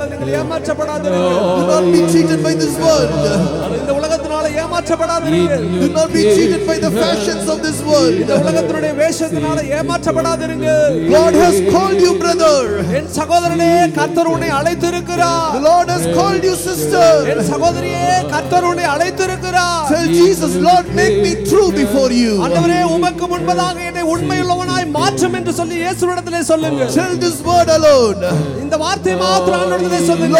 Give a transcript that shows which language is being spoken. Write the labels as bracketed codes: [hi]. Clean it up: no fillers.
[en] Do not be cheated by this world. Do not be cheated by the fashions of this world. God has called you, brother. [ta] என் சகோதரனே, கர்த்தர் உன்னை அழைத்திருக்கிறார். [en] The Lord has called you, sister. [ta] என் சகோதரியே, கர்த்தர் உன்னை அழைத்திருக்கிறார். [en] Tell Jesus, Lord, make me true before you. [ta] ஆண்டவரே, உமக்கு முன்பதாக என்னை உண்மையுள்ளவனாய் மாற்றும் என்று சொல்லி இயேசுவிடத்திலே சொல்லுங்கள். [en] Tell this word alone. [ta] இந்த வார்த்தை மாத்திரம் ஆண்டவரிடத்திலே சொல்லுங்கள்.